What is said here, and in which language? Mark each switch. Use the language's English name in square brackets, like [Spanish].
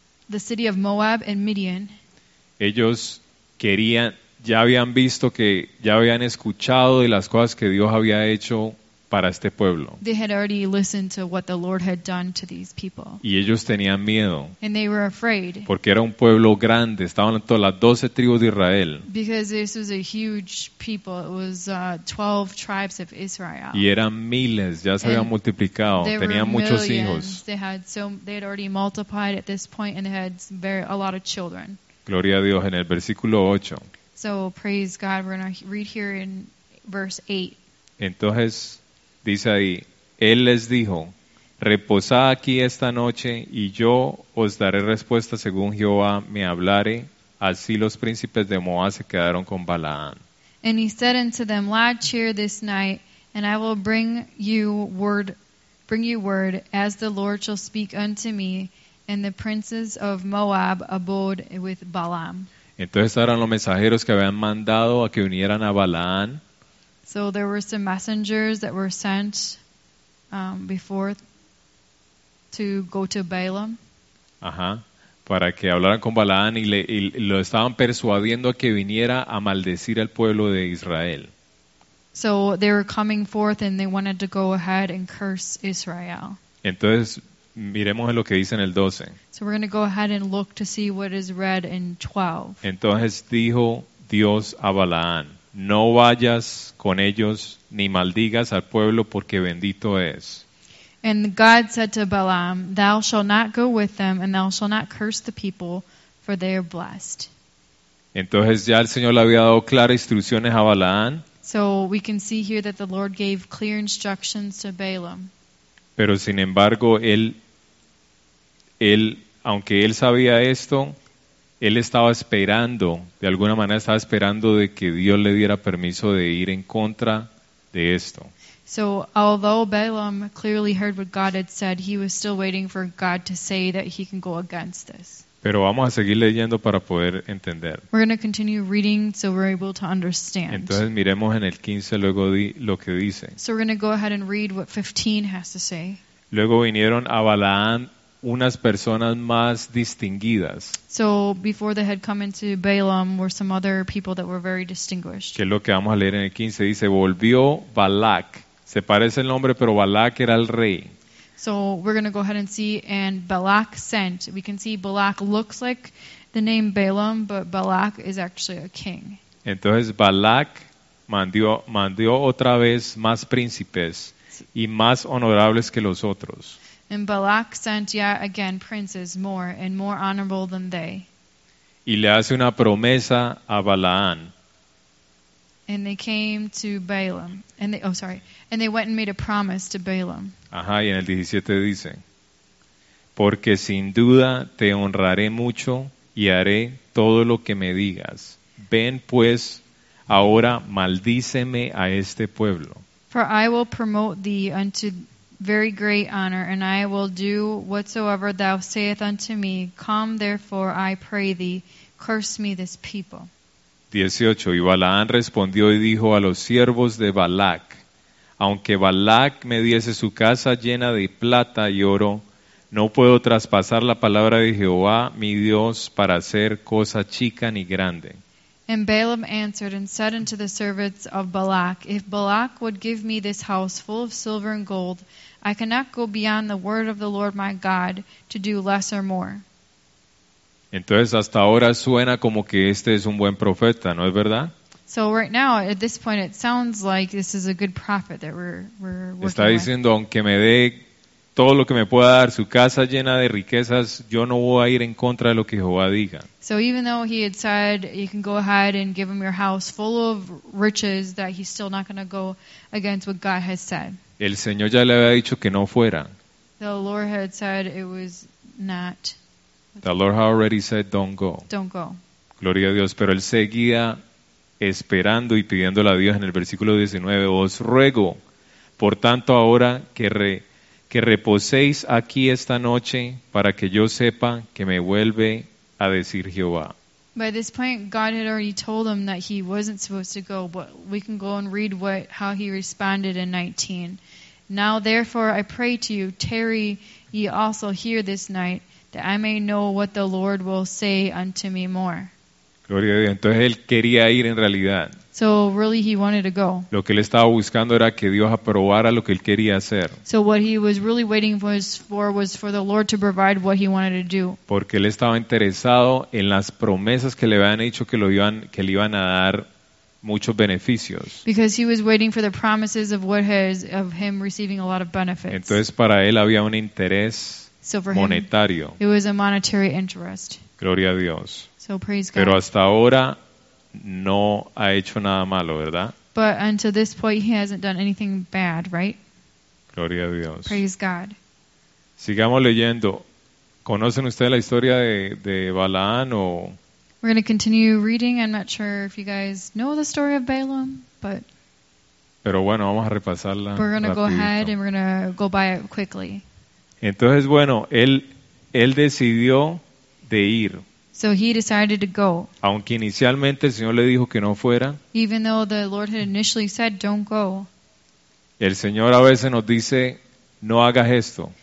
[English] The city of Moab and Midian. [Spanish] Ellos querían, ya habían visto que, ya habían escuchado de las cosas que Dios había hecho para este pueblo. [English] They had already listened to what the Lord had done to these people. [Spanish] Y ellos tenían miedo. [English] And they were afraid. [Spanish] Porque era un pueblo grande, estaban todas las 12 tribus de Israel. [English] Because this was a huge people, it was 12 tribes of Israel. [Spanish] Y eran miles, ya se habían multiplicado, tenían muchos hijos. [English] They had already multiplied at this point and they had a lot of children. [Spanish] Gloria a Dios, en el versículo 8. [English] So praise God, we're going to read here in verse 8. [Spanish] Entonces, dice ahí, Él les dijo, reposad aquí esta noche y yo os daré respuesta según Jehová me hablare. Así los príncipes de Moab se quedaron con Balaam. [English] And he said unto them, lodge here this night, and I will bring you word as the Lord shall speak unto me. And the princes of Moab abode with Balaam. [Spanish] Entonces eran los mensajeros que habían mandado a que vinieran a Balaam. [English] So there were some messengers that were sent before to go to Balaam. [Spanish] Ajá, para que hablaran con Balaam y lo estaban persuadiendo a que viniera a maldecir al pueblo de Israel. [English] So they were coming forth and they wanted to go ahead and curse Israel. [Spanish] Entonces, miremos lo que dice en el 12. [English] So we're going to go ahead and look to see what is read in 12. [Spanish] Entonces dijo Dios a Balaam. No vayas con ellos ni maldigas al pueblo porque bendito es. [English] And God said to Balaam, thou shalt not go with them and thou shalt not curse the people for they are blessed. [Spanish] Entonces ya el Señor le había dado claras instrucciones a Balaam. [English] So we can see here that the Lord gave clear instructions to Balaam. [Spanish] Pero sin embargo él aunque él sabía esto, él estaba esperando, de alguna manera estaba esperando de que Dios le diera permiso de ir en contra de esto. [English] So, although Balaam clearly heard what God had said, he was still waiting for God to say that he can go against this. [Spanish] Pero vamos a seguir leyendo para poder entender. [English] We're going to continue reading so we're able to understand. [Spanish] Entonces miremos en el 15 luego lo que dice. [English] So we're going to go ahead and read what 15 has to say. [Spanish] Luego vinieron a Balaam unas personas más distinguidas. [English] So before they had come into Balaam were some other people that were very distinguished. [Spanish] Que es lo que vamos a leer en el 15. Dice, volvió Balak. Se parece el nombre, pero Balak era el rey. [English] So we're going to go ahead and see. And Balak sent. We can see Balak looks like the name Balaam, but Balak is actually a king. [Spanish] Entonces Balak mandó otra vez más príncipes y más honorables que los otros. [English] And Balak sent yet again princes more and more honorable than they. [Spanish] Y le hace una promesa a Balaam. [English] And they came to Balaam. And they went and made a promise to Balaam. [Spanish] Ajá, y en el 17 dice, porque sin duda te honraré mucho y haré todo lo que me digas. Ven pues ahora maldíceme a este pueblo. [English] For I will promote thee unto very great honor, and I will do whatsoever thou sayest unto me. Come, therefore, I pray thee, curse me this people. 18. [Spanish] Y Balaam respondió y dijo a los siervos de Balak, aunque Balak me diese su casa llena de plata y oro, no puedo traspasar la palabra de Jehová, mi Dios, para hacer cosa chica ni grande. [English] And Balaam answered and said unto the servants of Balak, if Balak would give me this house full of silver and gold, I cannot go beyond the word of the Lord my God to do less or more. [Spanish] Entonces hasta ahora suena como que este es un buen profeta, ¿no es verdad? [English] So right now, at this point, it sounds like this is a good prophet that we're working with. [Spanish] Está diciendo, aunque me dé todo lo que me pueda dar, su casa llena de riquezas, yo no voy a ir en contra de lo que Jehová diga. [English] So even though he had said, you can go ahead and give him your house full of riches, that he's still not going to go against what God has said. [Spanish] El Señor ya le había dicho que no fuera. [English] The Lord had said it was not. The Lord had already said, don't go. Don't go. [Spanish] Gloria a Dios. Pero él seguía esperando y pidiéndole a Dios en el versículo 19, os ruego, por tanto ahora que reposéis aquí esta noche para que yo sepa que me vuelve a decir Jehová. [English] By this point, God had already told him that he wasn't supposed to go, but we can go and read what how he responded in 19. Now, therefore, I pray to you, tarry ye also here this night, that I may know what the Lord will say unto me more. [Spanish] Gloria a Dios. Entonces, él quería ir en realidad. [English] So, really, he wanted to go. [Spanish] Lo que él estaba buscando era que Dios aprobara lo que él quería hacer. [English] So, what he was really waiting for was for the Lord to provide what he wanted to do. [Spanish] Porque él estaba interesado en las promesas que le habían hecho que, lo iban, que le iban a dar muchos beneficios. [English] Because he was waiting for the promises of what has of him receiving a lot of benefits. [Spanish] Entonces para él había un interés monetario. [English] Him, it was a monetary interest. [Spanish] Gloria a Dios. [English] So praise God. [Spanish] Pero hasta ahora no ha hecho nada malo, ¿verdad? [English] But until this point he hasn't done anything bad, right? [Spanish] Gloria a Dios. [English] Praise God. [Spanish] Sigamos leyendo. ¿Conocen ustedes la historia de Balaam o [English] we're going to continue reading. I'm not sure if you guys know the story of Balaam, but [Spanish] pero bueno, vamos a repasarla. [English] We're going to go ahead and we're going to go by it quickly. [Spanish] Entonces, bueno, él decidió de ir. [English] So he decided to go. [Spanish] Aunque inicialmente el Señor le dijo que no fuera. [English] Even though the Lord had initially said don't go. [Spanish] El Señor a veces nos dice no hagas esto.